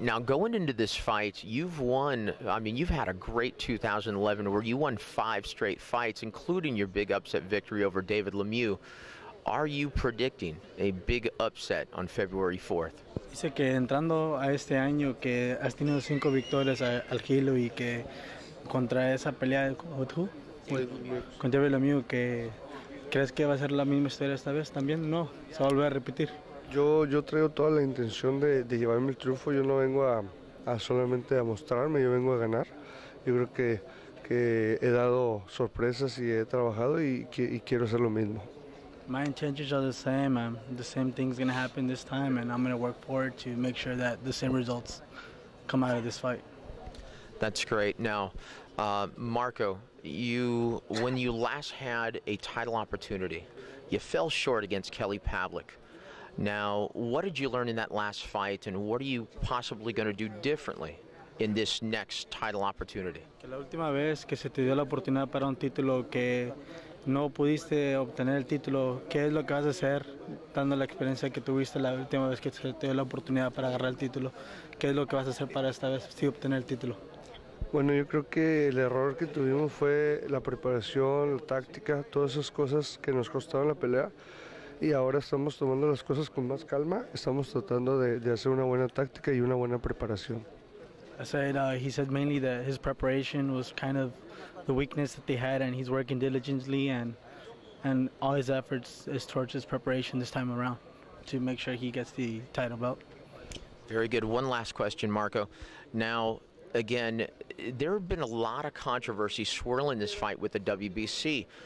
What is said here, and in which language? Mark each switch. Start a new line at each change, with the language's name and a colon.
English: Now, going into this fight, you've won, I mean, you've had a great 2011 where you won five straight fights, including your big upset victory over David Lemieux. Are you predicting a big upset on February 4th?
Spanish: Dice que entrando a este año que has tenido cinco victorias al Gilo y que contra esa pelea con David Lemieux, que crees que va a ser la misma historia esta vez también, no, se va a volver a repetir. Yo traigo toda la intención de llevarme el triunfo. Yo no vengo a solamente a mostrarme, yo vengo a ganar. Yo creo que he dado sorpresas y he trabajado y quiero hacer lo mismo.
English: My intentions are the same. The same thing's going to happen this time, and I'm going to work forward to make sure that the same results come out of this fight. That's great. Now, Marco, when you last had a title opportunity, you fell short against Kelly Pavlik. Now, what did you learn in that last fight, and what are you possibly going to do differently in this next title opportunity?
Spanish: La última vez que se te dio la oportunidad para un título que no pudiste obtener el título, ¿qué es lo que vas a hacer dando la experiencia que tuviste la última vez que se te dio la oportunidad para agarrar el título? ¿Qué es lo que vas a hacer para esta vez sí obtener el título? Bueno, yo creo que el error que tuvimos fue la preparación, la táctica, todas esas cosas que nos costaron la pelea. Y ahora estamos tomando las cosas con más calma. Estamos tratando de hacer una buena táctica y una buena preparación.
English: I said he said mainly that his preparation was kind of the weakness that they had, and he's working diligently and all his efforts is towards his preparation this time around to make sure he gets the title belt. Very good. One last question, Marco. Now, again, there have been a lot of controversy swirling this fight with the WBC.